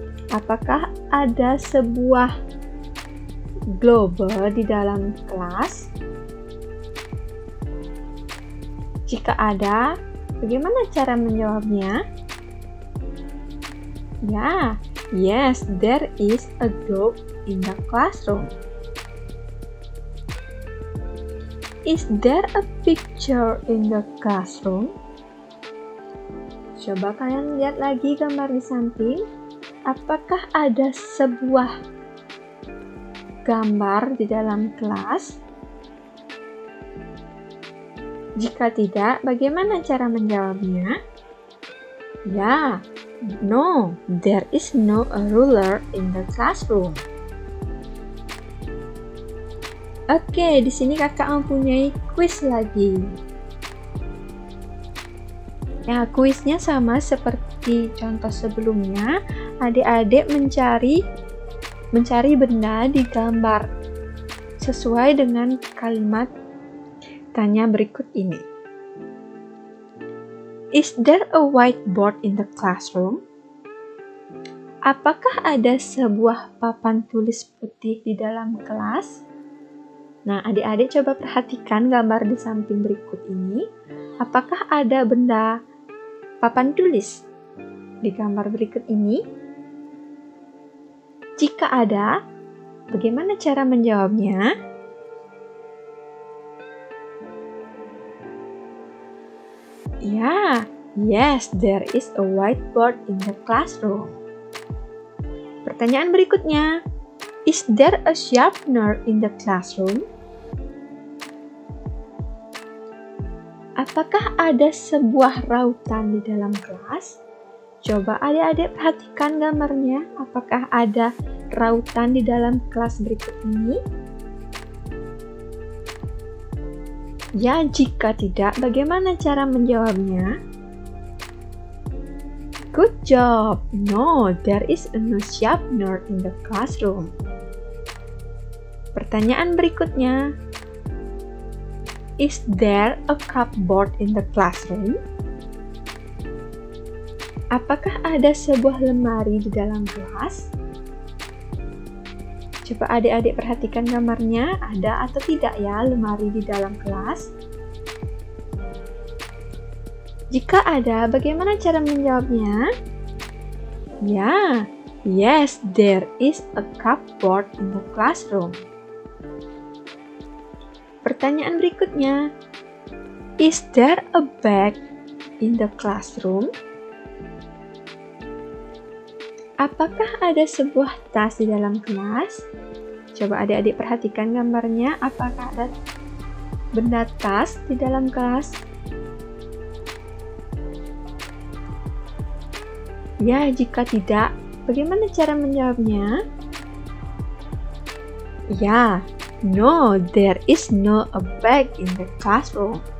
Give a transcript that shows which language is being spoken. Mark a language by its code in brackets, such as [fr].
[id] Apakah ada sebuah globe di dalam kelas? Jika ada, bagaimana cara menjawabnya? [en] Ya, yes, there is a globe in the classroom. Is there a picture in the classroom? [id] Coba kalian lihat lagi gambar di samping. Apakah ada sebuah gambar di dalam kelas? Jika tidak, bagaimana cara menjawabnya? [en] Ya, no, there is no a ruler in the classroom. [id] Oke, di sini kakak mempunyai quiz lagi. Ya, quiznya sama seperti contoh sebelumnya. Adik-adik mencari benda di gambar sesuai dengan kalimat tanya berikut ini. [en] Is there a whiteboard in the classroom? [id] Apakah ada sebuah papan tulis putih di dalam kelas? Nah, adik-adik coba perhatikan gambar di samping berikut ini. Apakah ada benda papan tulis di gambar berikut ini? Jika ada, bagaimana cara menjawabnya? [en] Ya, yes, there is a whiteboard in the classroom. [id] Pertanyaan berikutnya, [en] is there a sharpener in the classroom? [id] Apakah ada sebuah rautan di dalam kelas? Coba adik-adik perhatikan gambarnya, apakah ada rautan di dalam kelas berikut ini? Ya, jika tidak, bagaimana cara menjawabnya? [en] Good job! No, there is no sharpener in the classroom. [id] Pertanyaan berikutnya. [en] Is there a cupboard in the classroom? [id] Apakah ada sebuah lemari di dalam kelas? Coba adik-adik perhatikan gambarnya, ada atau tidak ya lemari di dalam kelas? Jika ada, bagaimana cara menjawabnya? [en] Ya, yes, there is a cupboard in the classroom. [id] Pertanyaan berikutnya, [en] is there a bag in the classroom? [id] Apakah ada sebuah tas di dalam kelas? Coba adik-adik perhatikan gambarnya, apakah ada benda tas di dalam kelas? Ya, jika tidak, bagaimana cara menjawabnya? [en] Ya, no, there is no a bag in the classroom.